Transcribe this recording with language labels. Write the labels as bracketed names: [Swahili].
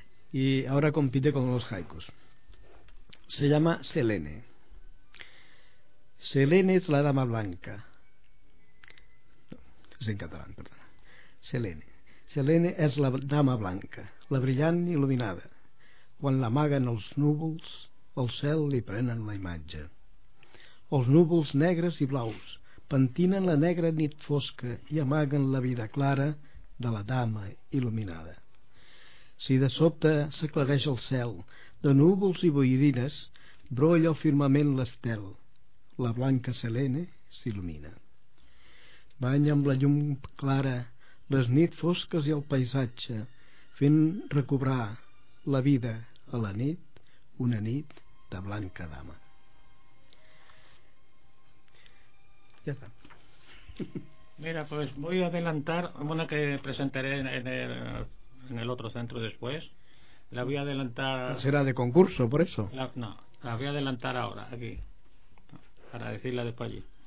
[Spanish] Y ahora compite con los haikus. Se llama Selene. Selene es la dama blanca. No, es en catalán, perdona. Selene. Selene es la dama blanca, [Catalan] la brillant il·luminada. Quan l'amaguen els núvols, el cel li prenen la imatge. Els núvols negres i blaus pentinen la negra nit fosca i amaguen la vida clara de la dama il·luminada. Si de sobte s'aclareix el cel de núvols i boirines, brolla al firmament l'estel. La blanca Selene s'il·lumina. Banya amb la llum clara les nits fosques i el paisatge, fent recobrar la vida a la nit, una nit de blanca dama. Ja està. [Spanish] Mira, pues voy a adelantar una que presentaré en el otro centro después. La voy a adelantar... ¿Será de concurso, por eso? La voy a adelantar ahora, aquí, para decirla después allí.